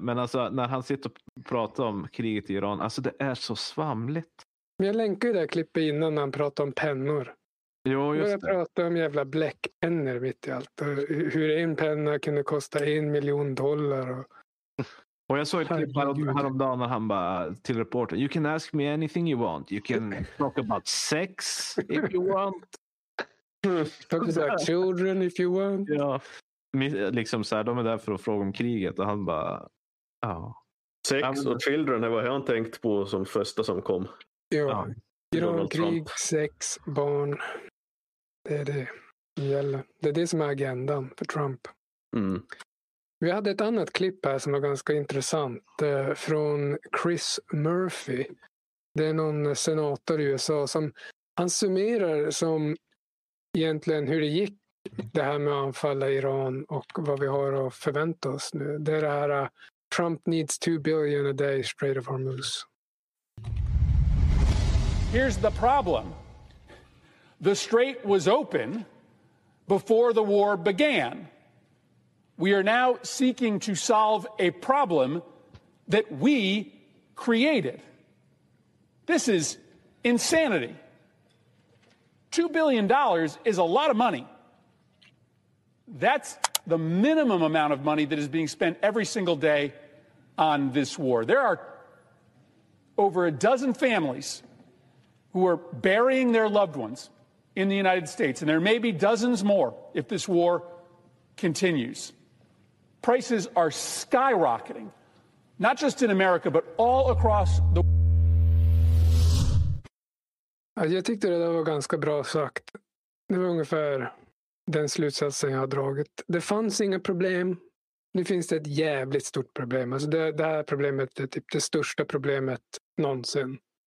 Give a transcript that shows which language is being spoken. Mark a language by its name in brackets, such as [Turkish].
[Swedish] Men alltså, när han sitter och pratar om kriget i Iran, alltså det är så svamligt. Men jag länkar ju det här klippet innan när han pratar om pennor. Jo, just jag pratade om jävla bläckpennor mitt i allt. Och hur en penna kunde kosta $1 million. Och jag såg ett klipp häromdagen när han bara till reporter. [English] You can ask me anything you want. You can talk about sex if you want. Talk about children if you want. [Swedish] Ja, liksom så här, de är där för att fråga om kriget. Och han bara, ja. Oh. Sex och children är vad jag har tänkt på som första som kom. Ja. Irankrig, sex, barn. Det är det som gäller. Det är det som är agendan för Trump. Mm. Vi hade ett annat klipp här som var ganska intressant. Från Chris Murphy. Det är någon senator i USA som han summerar som egentligen hur det gick det här med att anfalla Iran och vad vi har att förvänta oss nu. Det är det här [English] Trump needs $2 billion a day straight of Hormuz. Here's the problem. The strait was open before the war began. We are now seeking to solve a problem that we created. This is insanity. $2 billion is a lot of money. That's the minimum amount of money that is being spent every single day on this war. There are over a dozen families who are burying their loved ones in the United States. And there may be dozens more if this war continues. Prices are skyrocketing, not just in America, but all across the world. [Swedish] Jag tyckte det där var ganska bra sagt. Det var ungefär den slutsatsen jag har dragit. Det fanns inga problem. Nu finns det ett jävligt stort problem. Alltså det här problemet är typ det största problemet någonsin.